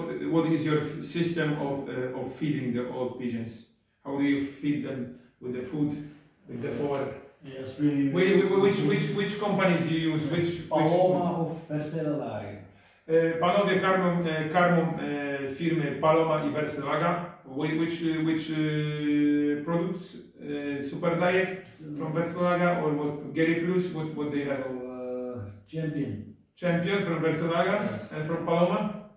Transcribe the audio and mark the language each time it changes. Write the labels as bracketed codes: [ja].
[en] What is your system of feeding the old pigeons? How do you feed them with the food, with the fodder? Yes, which companies do you use? Which Paloma of Verselaga. [pl] Panowie karmą firmy Paloma i Verselaga. [en] Which products? Super Diet from Verselaga or what? Gary Plus? What they have? Champion. Champion from Verselaga and from Paloma.